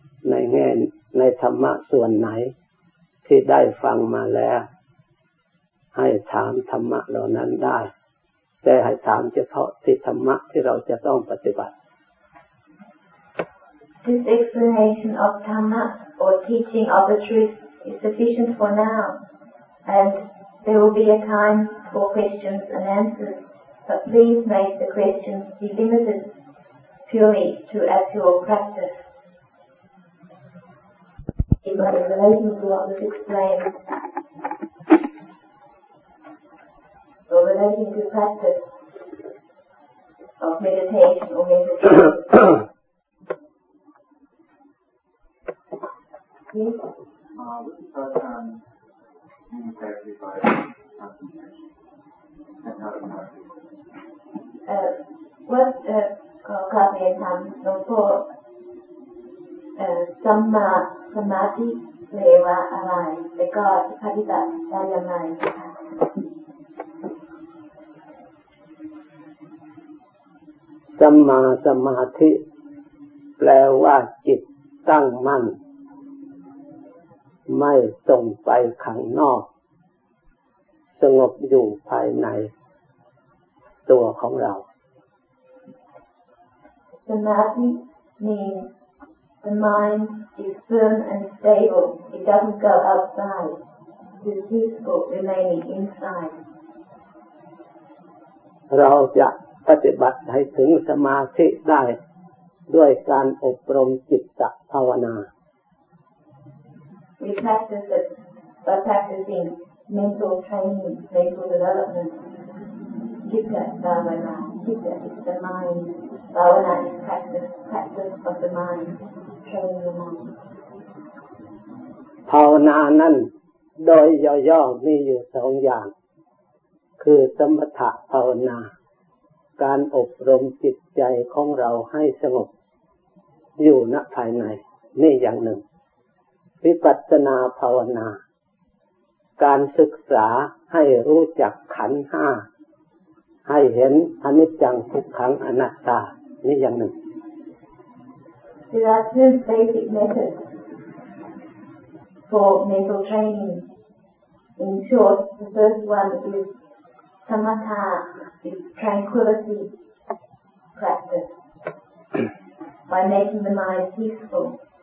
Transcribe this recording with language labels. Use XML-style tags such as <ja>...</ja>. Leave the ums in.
<th>ในแง่ในธรรมะส่วนไหน ที่ได้ฟังมาแล้ว ให้ถามธรรมะเหล่านั้นได้ แต่ให้ถามเฉพาะที่ธรรมะที่เราจะต้องปฏิบัติ</th> <en>This explanation of Dhamma or teaching of the truth is sufficient for now, and there will be a time for questions and answers but please make the questions be limited purely to actual practice. In relation to what was explained, or relating to practice of meditation or meditation, please. Uh, with the first time being therapy by concentration and how to practice.</en> <th>เอ่อว่าเอ่อขอกราบเรียนถามหลวงพ่อเอ่อสัมมาสมาธิเลวะอะไร แล้วก็ปฏิบัติได้ยังไงคะ สัมมาสมาธิ แปลว่าจิตตั้งมั่น ไม่ส่งไปข้างนอก สงบอยู่ภายใน ตัวของเรา</th> <en>Samadhi means the mind is firm and stable. It doesn't go outside. It is peaceful, remaining inside.</en> <th>เราจะปฏิบัติให้ถึงสมาธิได้ด้วยการอบรมจิตตภาวนา</th> <en>We practice it by practicing mental training, mental development. Chitta bhavana. Chitta is the mind. Bhavana is practice, practice of the mind, training the mind.</en> <th>ภาวนานั้นโดยย่อๆมีอยู่สองอย่าง คือสมถะภาวนา การอบรมจิตใจของเราให้สงบ อยู่ณภายในนี่อย่างหนึ่ง วิปัสสนาภาวนา การศึกษาให้รู้จักขันธ์ห้า ให้เห็นอนิจจังทุกขังอนัตตา นี่อย่างหนึ่ง</th> <en>There are two basic methods for mental training. In short, the first one is samatha, is tranquility practice by making the mind peaceful.</en>